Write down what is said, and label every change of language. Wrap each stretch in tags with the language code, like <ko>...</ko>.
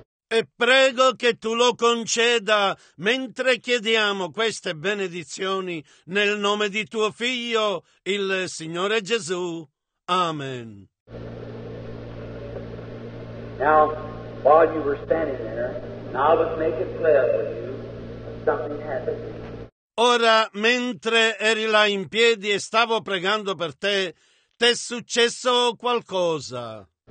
<it>E prego che tu lo conceda mentre chiediamo queste benedizioni nel nome di tuo Figlio, il Signore Gesù. Amen.</it> <en>Now, while you were standing there, I was making clear with you, something happened.</en> <it>Ora, mentre eri là in piedi e stavo pregando per te, t'è successo qualcosa.</it>